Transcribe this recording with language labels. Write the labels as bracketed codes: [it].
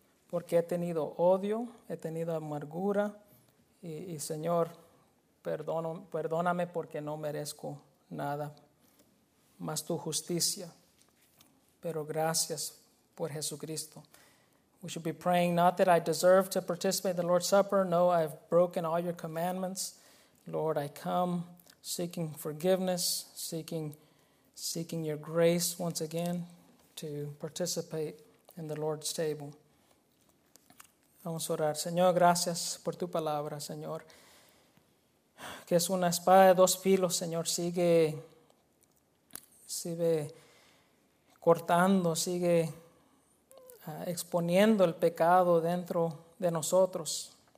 [es] Porque he tenido odio, he tenido amargura y Señor, perdóname porque no merezco nada más tu justicia. Pero gracias por Jesucristo. [en] We should be praying not that I deserve to participate in the Lord's Supper. No, I've broken all your commandments. Lord, I come seeking forgiveness, seeking your grace once again to participate in the Lord's table. [es] Vamos a orar. Señor, gracias por tu palabra, Señor, que es una espada de dos filos, Señor. Sigue cortando, sigue exponiendo el pecado dentro de nosotros.